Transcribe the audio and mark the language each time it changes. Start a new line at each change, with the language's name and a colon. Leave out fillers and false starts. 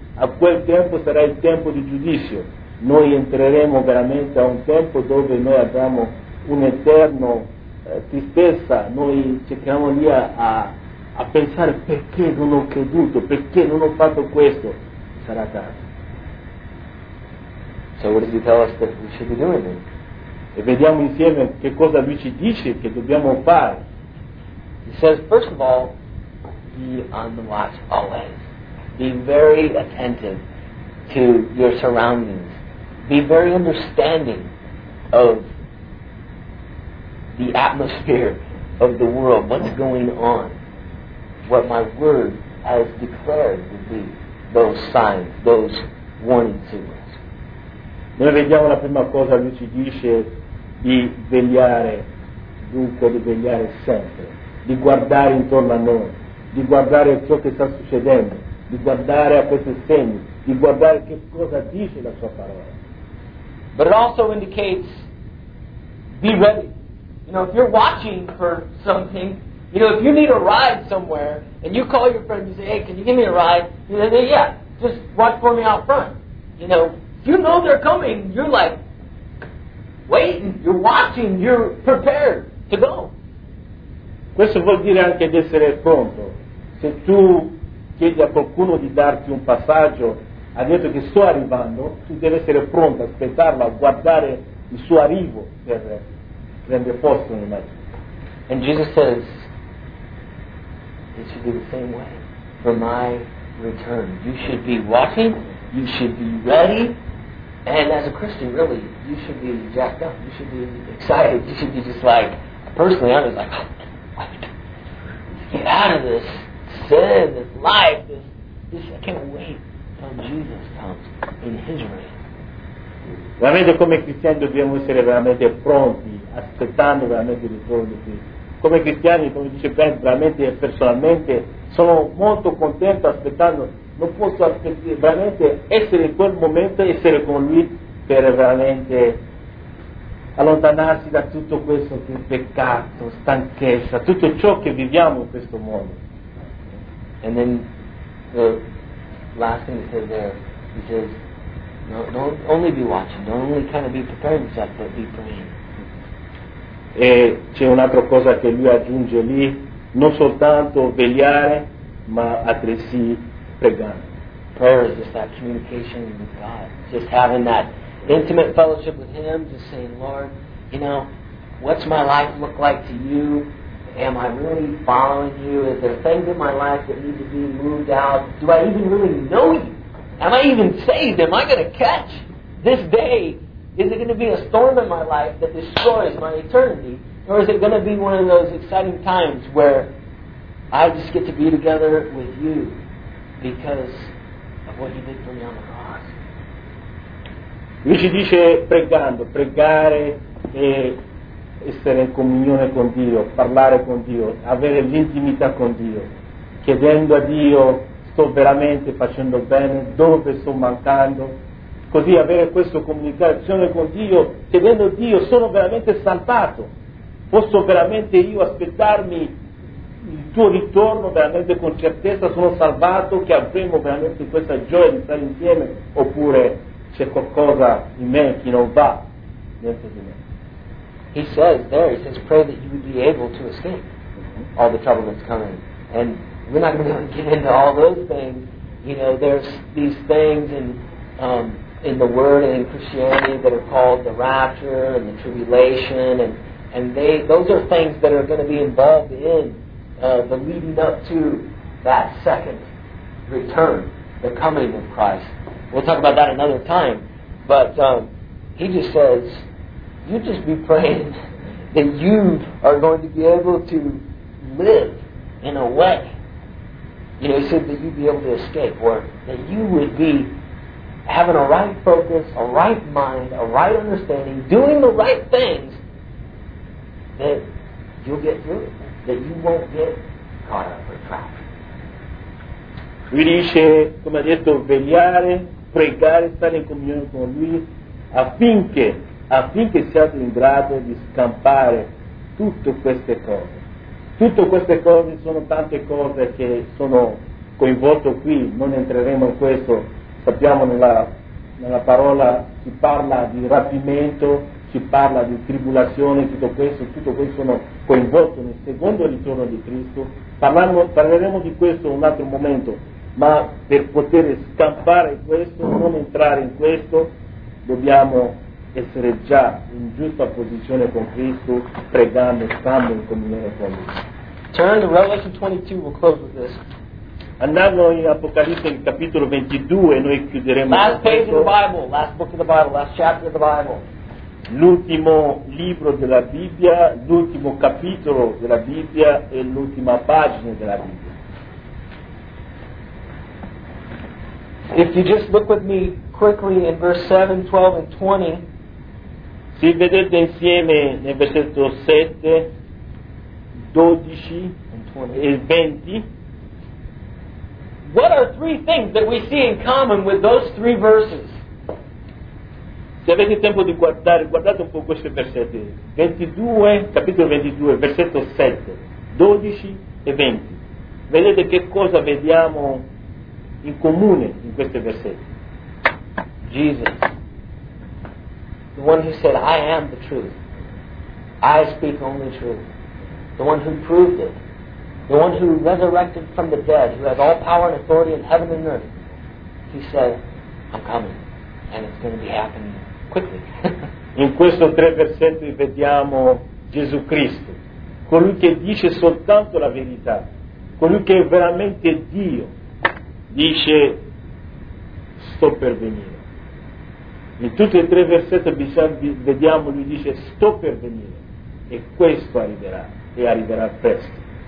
Italian: A quel tempo sarà il tempo di giudizio. Noi entreremo veramente a un tempo dove noi avremo un eterno tristezza, noi cerchiamo lì a pensare perché non ho creduto, perché non ho fatto questo, sarà tardi.
English: So what does he tell us that we should be doing then?
Italian: E vediamo insieme che cosa lui ci dice che dobbiamo fare.
English: He says, first of all, be on the watch always. Be very attentive to your surroundings. Be very understanding of the atmosphere of the world, what's going on, what my word has declared would be those signs, those warning signals.
Italian: Noi vediamo la prima cosa, lui ci dice di vegliare, dunque di vegliare sempre, di guardare intorno a noi, di guardare ciò che sta succedendo, di guardare a questi segni, di guardare che cosa dice la sua parola.
English: But it also indicates, be ready. You know, if you're watching for something, you know, if you need a ride somewhere, and you call your friend and you say, hey, can you give me a ride? And they say, yeah, just watch for me out front. You know, if you know they're coming, you're like, waiting, you're watching, you're prepared to go.
Italian: Questo vuol dire anche di essere pronto. Se tu chiedi a qualcuno di darti un passaggio, ha detto che sto arrivando, tu devi essere pronto, aspettarlo, a guardare il suo arrivo per prendere posto in mezzo.
English: And Jesus says, it should be the same way for my return. You should be watching, you should be ready, and as a Christian, really, you should be jacked up, you should be excited, you should be just like, personally, I was like, get out of this sin, this life, this I can't wait until Jesus comes in His reign.
Italian: Veramente come cristiani dobbiamo essere veramente pronti, aspettando veramente il ritorno di Cristo. Come cristiani, come dice Ben, veramente e personalmente sono molto contento aspettando, non posso aspettare veramente essere in quel momento, essere con Lui per veramente allontanarsi da tutto questo che è peccato, stanchezza, tutto ciò che viviamo in questo mondo.
English: And then the last thing he says there, he says, no, don't only be watching, don't only kind of be preparing yourself, but be praying.
Italian: E c'è un'altra cosa che lui aggiunge lì, non soltanto vegliare, ma altresì pregare.
English: Prayer is just that communication with God, just having that intimate fellowship with Him, just saying, Lord, you know, what's my life look like to You? Am I really following You? Is there things in my life that need to be moved out? Do I even really know You? Am I even saved? Am I going to catch this day? Is it going to be a storm in my life that destroys my eternity? Or is it going to be one of those exciting times where I just get to be together with You because of what You did for me on the cross?
Italian: Lui ci dice pregando, pregare e essere in comunione con Dio, parlare con Dio, avere l'intimità con Dio, chiedendo a Dio, sto veramente facendo bene, dove sto mancando, così avere questa comunicazione con Dio, chiedendo a Dio, sono veramente saltato, posso veramente io aspettarmi il tuo ritorno veramente con certezza, sono salvato, che avremo veramente questa gioia di stare insieme, oppure c'è qualcosa in me che non va dentro di me.
English: He says there, he says, pray that you would be able to escape all the trouble that's coming. And we're not going to get into all those things. You know, there's these things in the Word and in Christianity that are called the rapture and the tribulation. And those are things that are going to be involved in the leading up to that second return, the coming of Christ. We'll talk about that another time. But he just says, you just be praying that you are going to be able to live in a way. You know, he said that you'd be able to escape, or that you would be having a right focus, a right mind, a right understanding, doing the right things, that you'll get through it, that you won't get caught up or trapped.
Italian: Lui dice, come ha detto, vegliare, pregare, stare in comunione con Lui, affinché siate in grado di scampare tutte queste cose. Tutte queste cose sono tante cose che sono coinvolte qui, non entreremo in questo, sappiamo nella parola si parla di rapimento, si parla di tribolazione, tutto questo sono coinvolto nel secondo ritorno di Cristo, parleremo di questo un altro momento, ma per poter scampare questo, non entrare in questo, dobbiamo essere già in giusta posizione con Cristo, pregando, stando in comunione con Lui.
English: Turn to Revelation 22, we'll close with this.
Italian: Andando in Apocalisse, il capitolo 22, noi chiuderemo.
English: Last page of the Bible, last book of the Bible, last chapter of the Bible.
Italian: L'ultimo libro della Bibbia, l'ultimo capitolo della Bibbia e l'ultima pagina della Bibbia.
English: If you just look with me quickly in verse 7, 12, and 20.
Italian: Se vedete insieme nel versetto 7, 12 e 20.
English: What are three things that we see in common with those three verses?
Italian: Se avete tempo di guardare, guardate un po' questi versetti. 22, capitolo 22, versetto 7, 12 e 20. Vedete che cosa vediamo in comune in questi versetti.
English: Jesus. The one who said, I am the truth. I speak only truth. The one who proved it. The one who resurrected from the dead, who has all power and authority in heaven and earth. He said, I'm coming. And it's going to be happening quickly.
Italian: In questo tre versetti vediamo Gesù Cristo, colui che dice soltanto la verità, colui che è veramente Dio, dice, sto per venire. In tutti e tre versetti vediamo, lui dice, sto per venire, e questo arriverà, e arriverà presto.